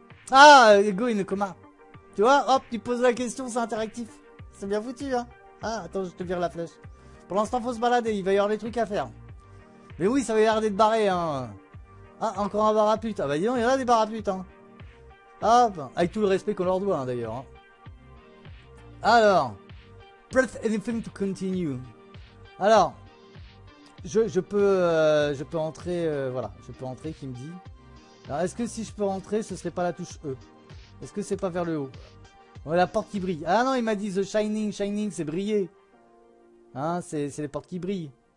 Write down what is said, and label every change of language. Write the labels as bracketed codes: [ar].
[fr] Ah, Ego in a coma. Tu vois, hop, tu poses la question, c'est interactif. C'est bien foutu, hein. Ah, attends, je te vire la flèche. Pour l'instant, faut se balader, il va y avoir des trucs à faire. Mais oui, ça va y avoir des barrés, hein. Ah, encore un bar à pute. Ah bah dis donc, il y en a des bar à pute, hein. Hop, avec tout le respect qu'on leur doit, hein, d'ailleurs. Hein. Alors, [en] press anything to continue. [fr] Alors, je peux entrer, voilà. Je peux entrer, qui me dit. Alors, est-ce que si je peux entrer, ce serait pas la touche E? Est-ce que c'est pas vers le haut? Ouais, la porte qui brille. Ah non, il m'a dit The Shining, Shining, c'est briller. Hein, c'est les portes qui brillent.